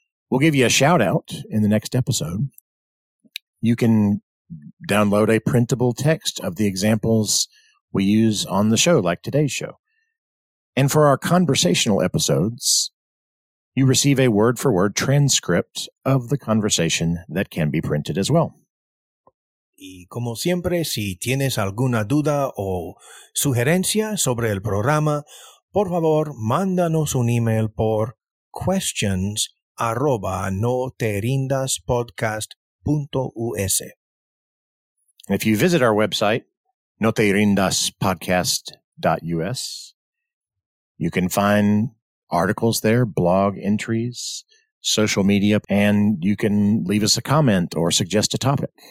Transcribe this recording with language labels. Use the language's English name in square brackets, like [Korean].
[English] We'll give you a shout out in the next episode. You can download a printable text of the examples we use on the show, like today's show. And for our conversational episodes, you receive a word-for-word transcript of the conversation that can be printed as well. [Spanish] Y como siempre, si tienes alguna duda o sugerencia sobre el programa, por favor, mándanos un email por questions@noterindaspodcast.us. [English] If you visit our website, noterindaspodcast.us, you can find articles there, blog entries, social media, and you can leave us a comment or suggest a topic.